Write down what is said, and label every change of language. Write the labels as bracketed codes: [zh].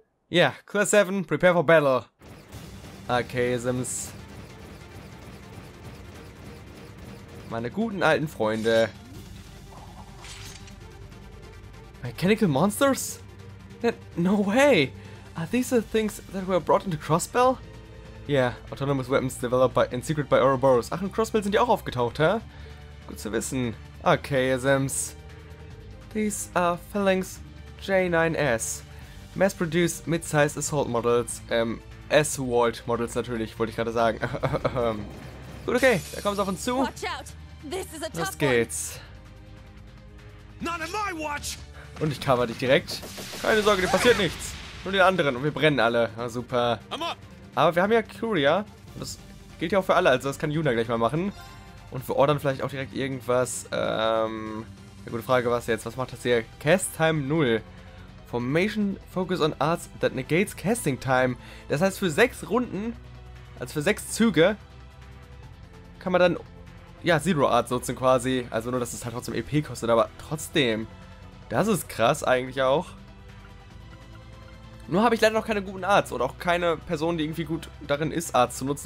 [en] Yeah, Class 7, prepare for battle. Archaisms. [de] Meine guten alten Freunde. [en] Mechanical monsters? No way! Are these the things that were brought into Crossbell? Yeah, autonomous weapons developed in secret by Ouroboros. [de] Ach, in Crossbell sind die auch aufgetaucht, hä? Gut zu wissen. [en] Archaisms. These are Phalanx J9S. Mass-produced mid-sized assault models. [de] S-Walt models natürlich, wollte ich gerade sagen. Gut, okay, da kommt es auf uns zu. [en] Watch out. This is a tough [de] Los geht's. [en] Not in my watch. [de] Und ich cover dich direkt. Keine Sorge, dir passiert nichts. Nur den anderen und wir brennen alle. Ah, super. Aber wir haben ja Curia. Das gilt ja auch für alle, also das kann Yuna gleich mal machen. Und wir ordern vielleicht auch direkt irgendwas. Eine gute Frage, was jetzt? Was macht das hier? [en] Cast Time 0. Formation Focus on Arts that negates Casting Time. [de] Das heißt, für 6 Runden, also für 6 Züge, kann man dann, ja, Zero Arts nutzen quasi. Also nur, dass es halt trotzdem EP kostet, aber trotzdem. Das ist krass eigentlich auch. Nur habe ich leider noch keine guten Arts oder auch keine Person, die irgendwie gut darin ist, Arts zu nutzen.